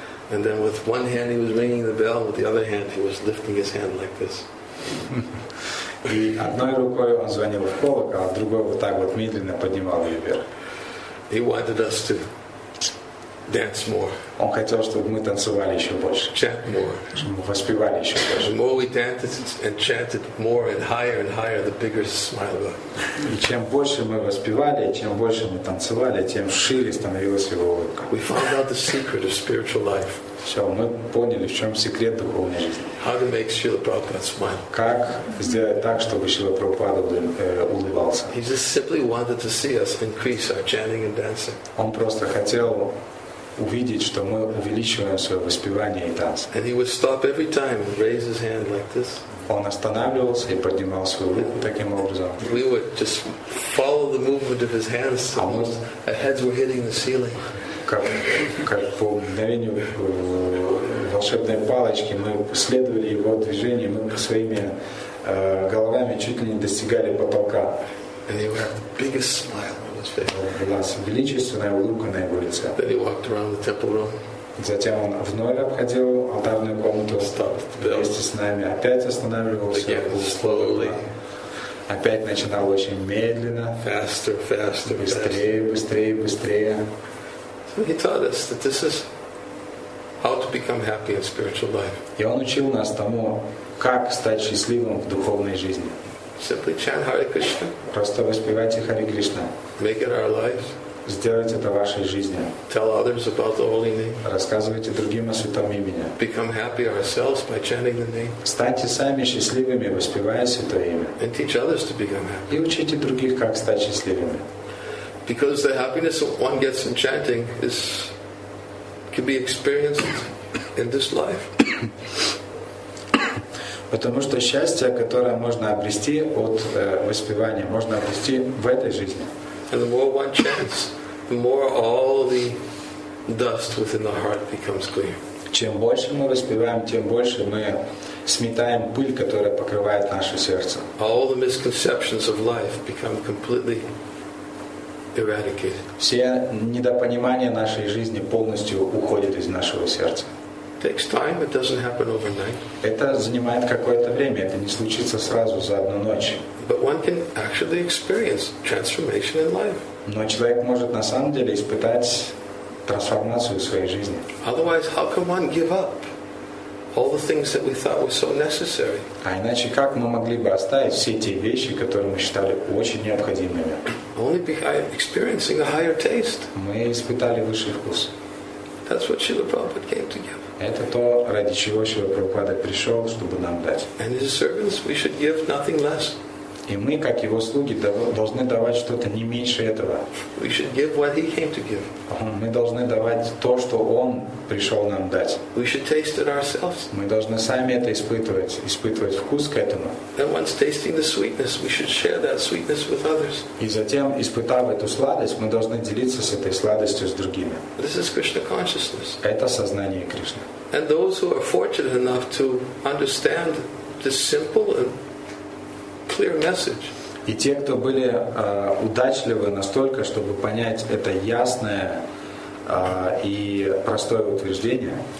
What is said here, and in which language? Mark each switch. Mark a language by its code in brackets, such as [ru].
[en] And then with one hand he was ringing the bell, with the other hand he was lifting his hand like this. [ru] И одной рукой он звонил в колокол, а другой вот так вот медленно поднимал ее вверх. [en] He wanted us to dance more. [ru] Он хотел, чтобы мы танцевали еще больше. [en] Chant more. [ru] Чтобы мы воспевали еще больше. [en] The more we danced and chanted more and higher, the bigger the smile got. [ru] И чем больше мы воспевали, чем больше мы танцевали, тем шире становилась его улыбка. [en] We found out the secret of spiritual life. [ru] Все, мы поняли, в чем секрет духовной жизни. [en] How to make Srila Prabhupada smile? [ru] Как сделать так, чтобы Шрила Прабхупада улыбался? [en] He just simply wanted to see us increase our chanting and dancing. [ru] Он просто хотел увидеть, что мы увеличиваем свое воспевание и танцы. [en] And he would stop every time and raise his hand like this. [ru] Он останавливался и поднимал свою руку таким образом. [en] We would just follow the movement of his hands. Our heads were hitting the ceiling. [ru] Как по мгновению волшебной палочки мы следовали его движению, мы своими головами чуть ли не достигали потолка. [en] And he had the biggest smile on his face. [ru] У нас величественная улыбка на его лице. [en] Then he walked around the temple room. [ru] Затем он вновь обходил алтарную комнату вместе с нами, опять останавливался. [en] Again, slowly. [ru] Опять начинал очень медленно. [en] Faster, faster, [ru] быстрее, быстрее, быстрее. [en] He taught us that this is how to become happy in spiritual life. [ru] И он учил нас тому, как стать счастливым в духовной жизни. [en] Simply chant Hare Krishna. [ru] Просто воспевайте Хари Кришна. [en] Make it our lives. [ru] Сделайте это вашей жизнью. [en] Tell others about the holy name. [ru] Рассказывайте другим о святом имени. [en] Become happy ourselves by chanting the name. [ru] Станьте сами счастливыми, воспевая святое имя. [en] And teach others to become happy. [ru] И учите других, как стать счастливыми. [en] Because the happiness one gets in chanting is can be experienced in this life. [ru] Потому что счастье, которое можно обрести от воспевания, можно обрести в этой жизни. [en] And the more one chants, the more all the dust within the heart becomes clear. [ru] Чем больше мы воспеваем, тем больше мы сметаем пыль, которая покрывает наше сердце. [en] All the misconceptions of life become completely eradicated. [ru] Все недопонимания нашей жизни полностью уходят из нашего сердца. [en] Takes time, it doesn't happen overnight. [ru] Это занимает какое-то время, это не случится сразу за одну ночь. [en] But one can actually experience transformation in life. [ru] Но человек может на самом деле испытать трансформацию в своей жизни. [en] Otherwise, how can one give up all the things that we thought were so necessary? [ru] А иначе как мы могли бы оставить все те вещи, которые мы считали очень необходимыми? [en] Only by experiencing a higher taste. [ru] Мы испытали высший вкус. [en] That's what Srila Prabhupada came to give. [ru] Это то, ради чего Шрила Прабхупада пришел, чтобы нам дать. [en] And his servants, we should give nothing less. [ru] И мы, как его слуги, должны давать что-то не меньше этого. [en] We should give what he came to give. [ru] Мы должны давать то, что он пришел нам дать. [en] We should taste it ourselves. [ru] Мы должны сами это испытывать вкус к этому. [en] And once tasting the sweetness, we should share that sweetness with others. [ru] И затем, испытав эту сладость, мы должны делиться с этой сладостью с другими. [en] This is Krishna consciousness. [ru] Это сознание Кришны. [en] And those who are fortunate enough to understand this simple and clear message. [ru] И те, кто были удачливы настолько, чтобы понять это ясное и простое утверждение,